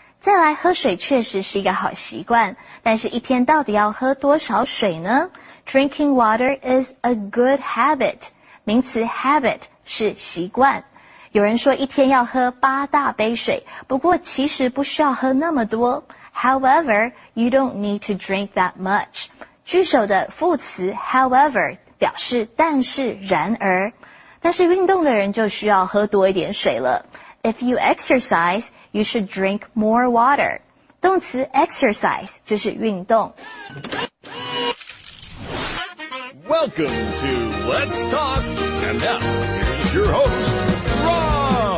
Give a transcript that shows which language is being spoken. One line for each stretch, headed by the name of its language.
Chinese: 再来喝水确实是一个好习惯，但是一天到底要喝多少水呢？
English: Drinking water is a good habit.
Chinese: 名词
English: habit
Chinese: 是习惯。有人说一天要喝8大杯水，不过其实不需要喝那么多。
English: However, you don't need to drink that much.
Chinese: 句首的副词 however 表示但是然而。但是运动的人就需要喝多一点水了。
English: If you exercise, you should drink more water.
Chinese: 动词 exercise 就是运动。
English: Welcome to Let's Talk, and now here's your host,